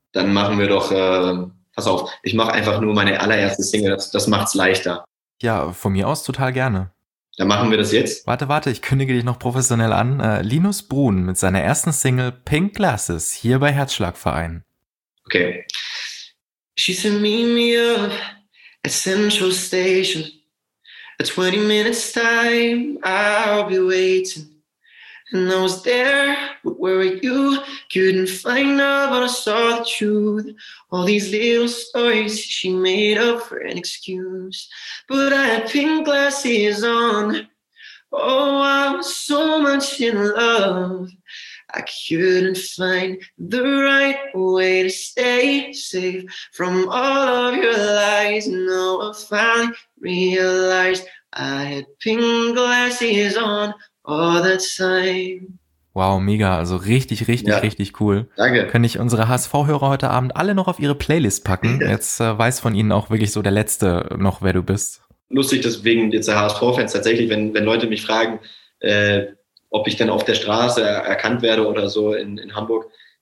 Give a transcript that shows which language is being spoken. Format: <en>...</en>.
<de>Dann machen wir doch, pass auf, ich mache einfach nur meine allererste Single, das macht's leichter. Ja, von mir aus total gerne. Dann machen wir das jetzt. Warte, ich kündige dich noch professionell an. Linus Bruhn mit seiner ersten Single Pink Glasses hier bei Herzschlagverein. Okay.</de> <en>She said, meet me up at Central Station. A 20 minutes time, I'll be waiting. And I was there, but where were you? Couldn't find out, but I saw the truth. All these little stories she made up for an excuse. But I had pink glasses on. Oh, I was so much in love. I couldn't find the right way to stay safe from all of your lies. No, I finally realized I had pink glasses on. All the time.</en> <de>Wow, mega. Also richtig, richtig, ja. Richtig cool. Danke. Könnte ich unsere HSV-Hörer heute Abend alle noch auf ihre Playlist packen. Ja. Jetzt weiß von ihnen auch wirklich so der Letzte noch, wer du bist. Lustig, deswegen jetzt der HSV-Fans tatsächlich, wenn Leute mich fragen, ob ich denn auf der Straße erkannt werde oder so in Hamburg.</de>